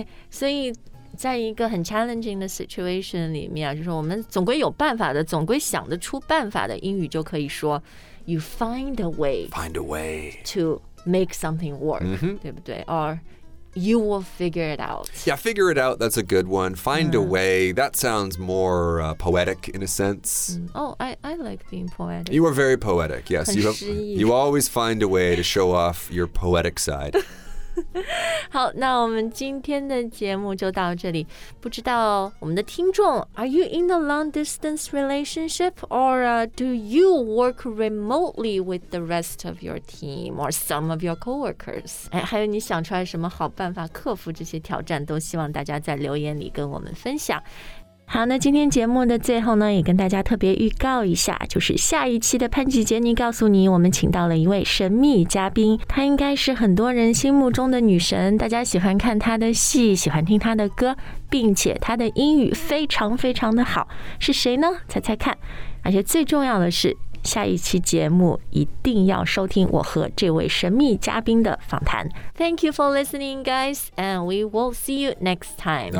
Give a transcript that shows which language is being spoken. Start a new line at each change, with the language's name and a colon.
Chinese: 所以在一个很 challenging 的 situation 里面、就是我们总归有办法的，总归想得出办法的英语就可以说
English: you find a way to make something work,、
Chinese: 对不对？Or...
English: You will figure it out. Yeah, figure it out. That's a good one. Find a way. That sounds more poetic in a sense. I like being poetic. You are very poetic, yes. You always find a way to show off your poetic side.
Chinese: 好，那我们今天的节目就到这里。不知道我们的听众
English: ，Are you in a long distance relationship, or do you work remotely with the rest of your team or some of your coworkers?
Chinese: 哎，还有你想出来什么好办法克服这些挑战，都希望大家在留言里跟我们分享。好，那今天节目的最后呢，也跟大家特别预告一下，就是下一期的潘吉杰尼告诉你，我们请到了一位神秘嘉宾，她应该是很多人心目中的女神，大家喜欢看她的戏，喜欢听她的歌，并且她的英语非常非常的好，是谁呢？猜猜看。而且最重要的是，下一期节目一定要收听我和这位神秘嘉宾的访谈。
English: Thank you for listening guys, and we will see you next time.